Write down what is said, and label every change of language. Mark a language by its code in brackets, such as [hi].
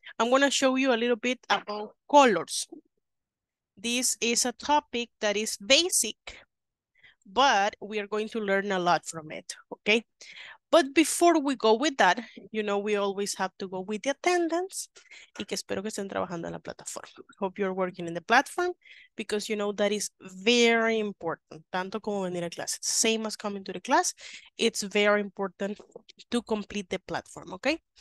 [en] I'm going to show you a little bit about colors. This is a topic that is basic, but we are going to learn a lot from it, okay? But before we go with that, you know, we always have to go with the attendance. [es] Y que espero que estén trabajando en la plataforma. [en] Hope you're working in the platform, because you know that is very important. [es] Tanto como venir a clase. [en] Same as coming to the class. It's very important to complete the platform, okay?